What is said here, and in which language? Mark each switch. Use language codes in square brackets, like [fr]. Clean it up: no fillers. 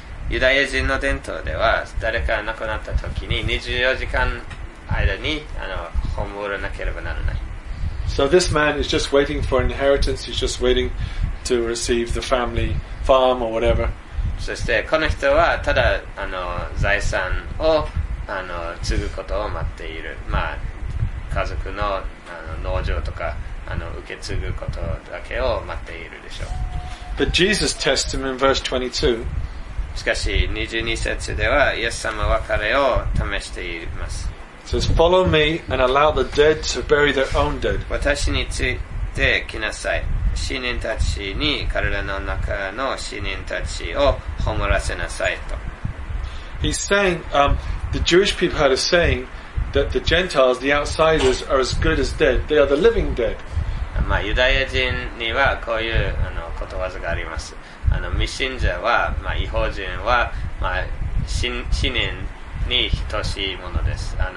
[ja] ユダヤ人の伝統では誰か亡くなった時に24時間間に葬らなければならない。 [en] So this man is just waiting for inheritance. He's just waiting to receive the family farm or whatever. [ja] そしてこの人はただ財産を継ぐことを待っている、まあ家族の農場とか受け継ぐことだけを待っているでしょう。 [en] But Jesus tests him in verse 22. [ja] しかし22節ではイエス様は彼を試しています。 [en] It says, follow me and allow the dead to bury their own dead. [ja] 私について来なさい、死人たちに彼らの中の死人たちを葬らせなさいと。 [en] He's saying, the Jewish people had a saying that the Gentiles, the outsiders, are as good as dead. They are the living dead. [ja] まあユダヤ人にはこういうことわざがあります。未信者は、まあ違法人は、まあ死人に等しいものです。